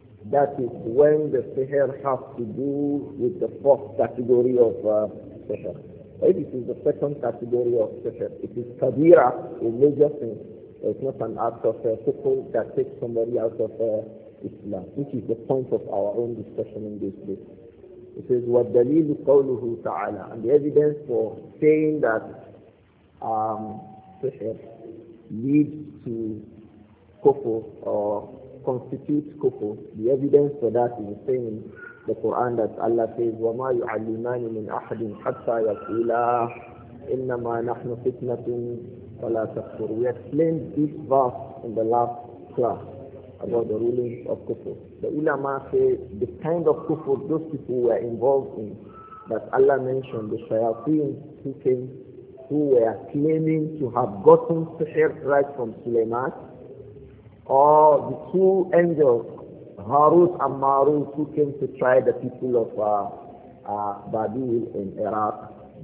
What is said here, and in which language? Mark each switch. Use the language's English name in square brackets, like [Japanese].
[English] That is when the sihr has to do with the first category of sihr. If it is the second category of sihr, it is kabira, a major thing. It's not an act of kufr that takes somebody out of Islam, which is the point of our own discussion in this book. It says, [Arabic] وَالدَّلِيلُ قَوْلُهُ تَعَالَى. [English] And the evidence for saying that sihr leads to kufr or constitutes kufr, the evidence for that is the same the Quran that Allah says, [Arabic] وَمَا يُعَلِّمَانِ مِنْ أَحْدٍ حَتَّى يَقُولَا إِنَّمَا نَحْنُ فِتْنَةٌ فَلَا تَكْفُرُ. [English] We explained this verse in the last class about the rulings of kufr. The ulama say the kind of kufr those people were involved in, that Allah mentioned, the shayateen who came, who were claiming to have gotten sihr right from Sulaiman, or the two angels, Harut and Marut, who came to try the people of Babil in Iraq.